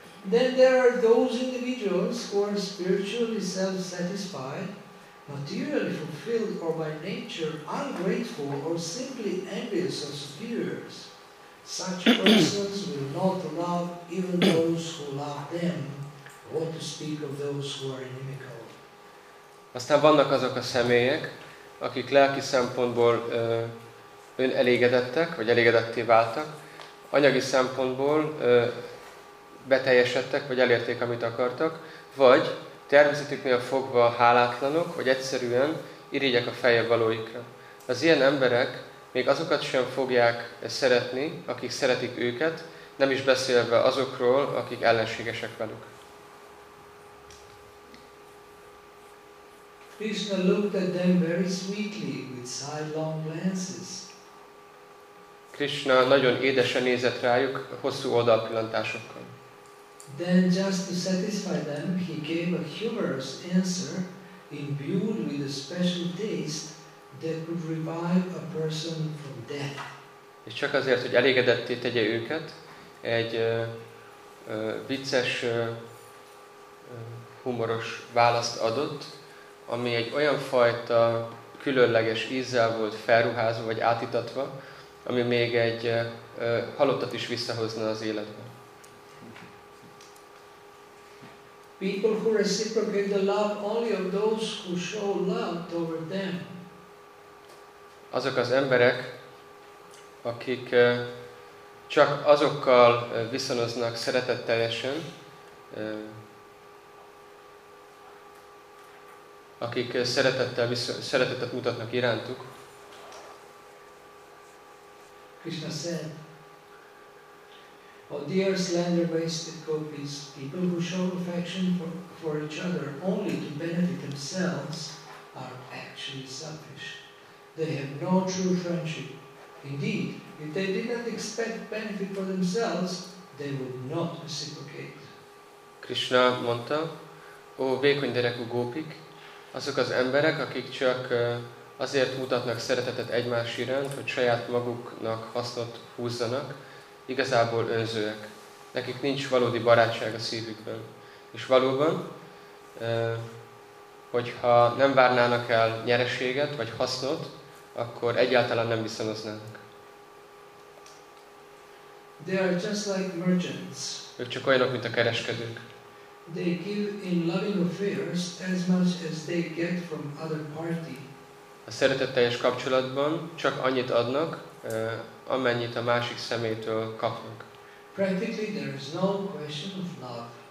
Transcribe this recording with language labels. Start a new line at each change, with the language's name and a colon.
English: Then there are those individuals who are spiritually self-satisfied, materially fulfilled or by nature ungrateful or simply envious of superiors. Such persons will not love even those who love them. What to speak of those who are inimical.
Hungarian: Aztán vannak azok a személyek, akik lelki szempontból önelégedettek, vagy elégedetté váltak, anyagi szempontból beteljesedtek, vagy elérték, amit akartak, vagy természetüknél fogva hálátlanok, vagy egyszerűen irigyek a feje valóikra. Az ilyen emberek még azokat sem fogják szeretni, akik szeretik őket, nem is beszélve azokról, akik ellenségesek velük.
English: Krishna looked at them very sweetly with sidelong glances.
Hungarian: Krishna nagyon édesen nézett rájuk hosszú oldalpillantásokkal.
English: Then just to satisfy them, he gave a humorous answer imbued with a special taste that could revive a person from death.
Hungarian: És csak azért, hogy elégedetté tegye őket, egy vicces, humoros választ adott, ami egy olyan fajta különleges ízzel volt felruházva vagy átitatva, ami még egy halottat is visszahozna az életbe.
English: People who reciprocate the love only of those who show love toward them.
Hungarian: Azok az emberek, akik csak azokkal viszonoznak szeretetteljesen, akik szeretetet mutatnak irántuk.
English: Krishna said, oh dear slender wasted gopis, people who show affection for each other only to benefit themselves are actually selfish. They have no true friendship. Indeed, if they did not expect benefit for themselves, they would not reciprocate.
Hungarian: Krishna mondta, oh vékony derekú gópik, azok az emberek, akik csak azért mutatnak szeretetet egymás iránt, hogy saját maguknak hasznot húzzanak, igazából önzőek. Nekik nincs valódi barátság a szívükben. És valóban, hogyha nem várnának el nyereséget vagy hasznot, akkor egyáltalán nem viszonoznának.
English: They are just like merchants.
Hungarian: Ők csak olyanok, mint a kereskedők.
English: They give in loving affairs as much as they get from other party.
Hungarian: A szeretetteljes kapcsolatban csak annyit adnak, amennyit a másik személytől kapnak.
English: Practically there is no question of love.